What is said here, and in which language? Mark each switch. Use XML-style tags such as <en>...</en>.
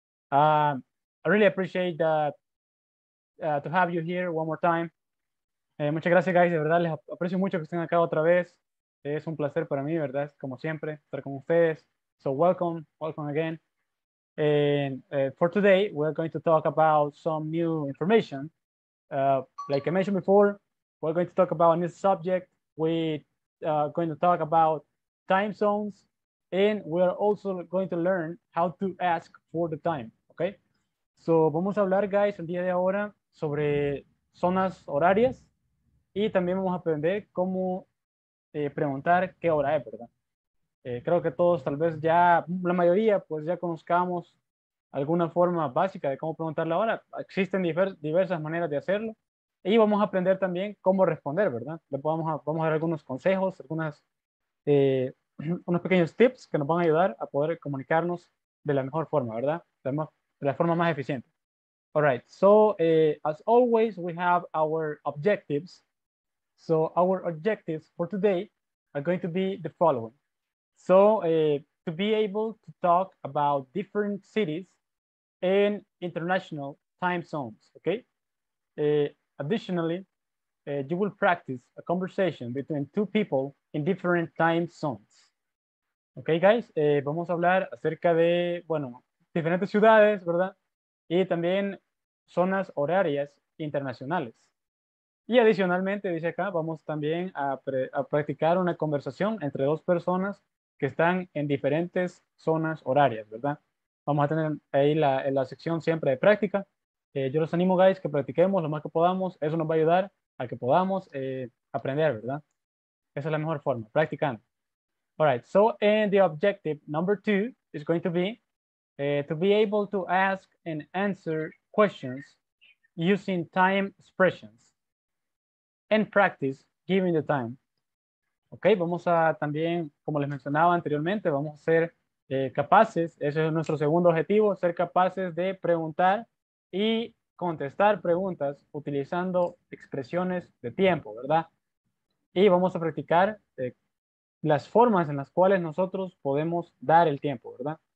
<en>I really appreciate that to have you here one more time.</en> <es>Muchas gracias, guys. De verdad, les aprecio mucho que estén acá otra vez. Es un placer para mí, ¿verdad? Como siempre, estar con ustedes.</es> <en>So welcome, welcome again. And for today, we're going to talk about some new information. Like I mentioned before, we're going to talk about a new subject. We're going to talk about time zones. And we're also going to learn how to ask for the time, okay?</en> <es>So vamos a hablar, guys, el día de ahora sobre zonas horarias y también vamos a aprender cómo preguntar qué hora es, ¿verdad? Creo que todos, tal vez ya, la mayoría, pues ya conozcamos alguna forma básica de cómo preguntar la hora. Existen diversas maneras de hacerlo. Y vamos a aprender también cómo responder, ¿verdad? Vamos a dar algunos consejos, unos pequeños tips que nos van a ayudar a poder comunicarnos de la mejor forma, ¿verdad? De la forma más eficiente.</es> <en>All right, so as always, we have our objectives. So our objectives for today are going to be the following. So to be able to talk about different cities and international time zones, okay? Additionally, you will practice a conversation between two people in different time zones.</en> <es>Okay, guys, vamos a hablar acerca de, bueno, diferentes ciudades, ¿verdad? Y también zonas horarias internacionales. Y adicionalmente, dice acá, vamos también a practicar una conversación entre dos personas que están en diferentes zonas horarias, ¿verdad? Vamos a tener ahí la sección siempre de práctica. Yo los animo, guys, que practiquemos lo más que podamos. Eso nos va a ayudar a que podamos aprender, ¿verdad? Esa es la mejor forma, practicando.</es> <en>All right, so, and the objective number two is going to be to be able to ask and answer questions using time expressions and practice giving the time.</en> <es>Okay, vamos a también, como les mencionaba anteriormente, vamos a ser capaces, ese es nuestro segundo objetivo, ser capaces de preguntar y contestar preguntas utilizando expresiones de tiempo, ¿verdad? Y vamos a practicar las formas en las cuales nosotros podemos dar el tiempo, ¿verdad?</es>